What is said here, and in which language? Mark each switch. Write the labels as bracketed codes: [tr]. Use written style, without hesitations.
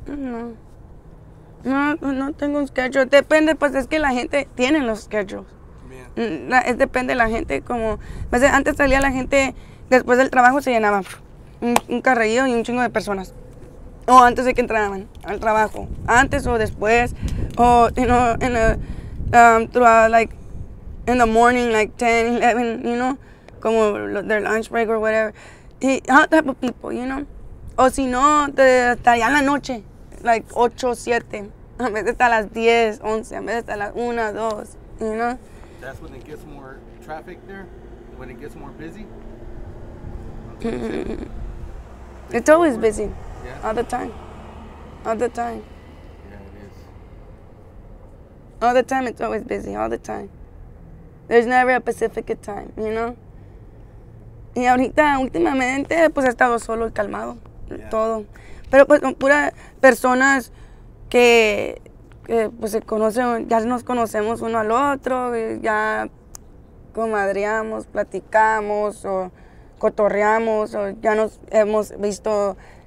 [es] No. No tengo un schedule. Depende, pues es que la gente tiene los schedules. Bien. Es depende de la gente como... Antes salía la gente, después del trabajo se llenaba un carrillo y un chingo de personas. O antes de que entraban al trabajo. Antes o después. [en] O, you know, in the, throughout, like, in the morning, like 10, 11, you know, como their lunch break or whatever. How type of people, you know? [es] O si no, hasta allá en la noche, like 8, 7, a veces hasta las 10, 11, a veces hasta las 1, 2, [en] you know? That's when it gets more traffic there? When it gets more busy? It's always busy. Yeah. All the time. Yeah, it is. All the time, it's always busy, all the time. There's never a Pacifica time, you know? [es] Y ahorita, últimamente, pues he estado solo y calmado, [en] yeah. [es] Todo. Pero pues con puras personas que pues se conocen, ya nos conocemos uno al otro, ya comadreamos, platicamos, o cotorreamos, o ya nos hemos visto